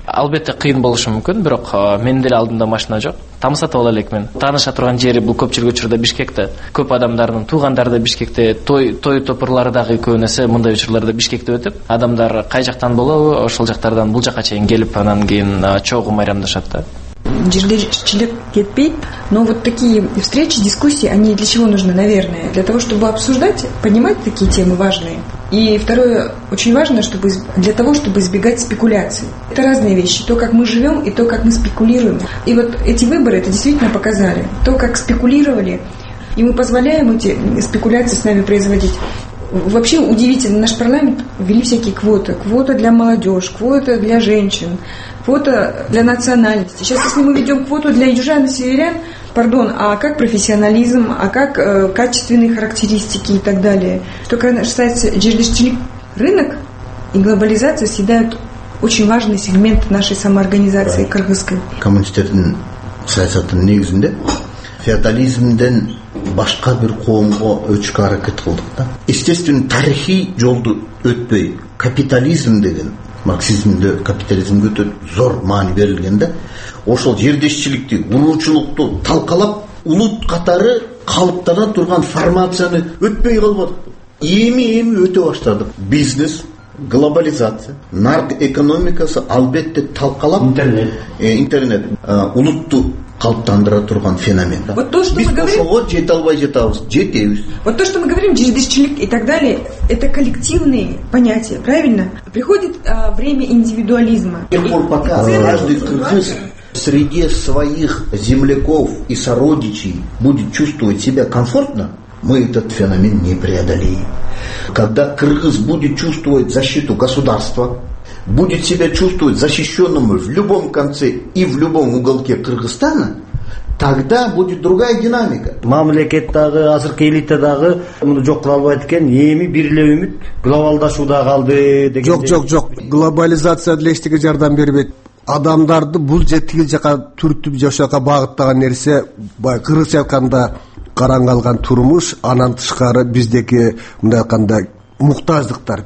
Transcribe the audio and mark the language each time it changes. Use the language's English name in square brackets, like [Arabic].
[Kyrgyz] Албетте кыйын болушу мүмкүн, бирок менин деле алдымда машина жок. Там сатып ала элекмин. Тааныша турган жери бул көпчүлүк учурда Бишкекте. Көп адамдардын туугандары да Бишкекте, той топурлары дагы көбүнесе мындай учурларда Бишкекте өтүп, адамдар кай жактан болобу, ошол жактардан бул жака чейин келип, анан кийин чогуу майрамдашат да. Жердечилик кетпейт, [Russian] но вот такие встречи, дискуссии, они для чего нужны, наверное? Для того, чтобы обсуждать, понимать такие темы важные. И второе, очень важно, чтобы для того, чтобы избегать спекуляций. Это разные вещи, то, как мы живем, и то, как мы спекулируем. И вот эти выборы это действительно показали. То, как спекулировали, и мы позволяем эти спекуляции с нами производить. Вообще удивительно, наш парламент ввели всякие квоты. Квота для молодежи, квота для женщин, квота для национальности. Сейчас, если мы ведем квоту для южан и северян, пардон, а как профессионализм, а как качественные характеристики и так далее. Что касается жердечилик, рынок и глобализация съедают очень важный сегмент нашей самоорганизации кыргызской. [Kyrgyz] Коммунистердин саясатынын негизинде феодализмден башка бир коомго өчкө аракет кылдык да. Естественно, тарыхый жолду өтпөй капитализм деген, марксизмде капитализмге өтө зор маани берилген да, ошол жердешчиликти, уруучулукту талкалап, улут катары калыптана турган формацияны өтпөй калбадык. Эми өтө баштадык. Бизнес, глобализация, нарк экономикасы албетте талкалап, интернет улутту калыптандыра турган феномен. [Russian] Вот то, что [Kyrgyz] Биз [Russian] мы говорим, [Kyrgyz] ошого жете албай жатабыз, жетебиз. [Russian] Вот то, что мы говорим, жердечилик и так далее, это коллективные понятия, правильно? Приходит время индивидуализма. С тех пор, пока каждый кыргыз среди своих земляков и сородичей будет чувствовать себя комфортно, мы этот феномен не преодолеем. Когда кыргыз будет чувствовать защиту государства, будет себя чувствовать защищенным в любом конце и в любом уголке Кыргызстана, тогда будет другая динамика. [Kyrgyz] Мамлекет дагы, азыркы элита дагы муну жок кыла албайт экен. Эми бир эле үмүт глобалдашууда калды деген. Жок. Глобализация деле эчтеке жардам бербейт. Адамдарды бул же тигил жака түртүп, жашоого багыттаган нерсе баягы кыргызча айтканда караңгалган турмуш, анан тышкары биздеки мындай айтканда муктаждыктар.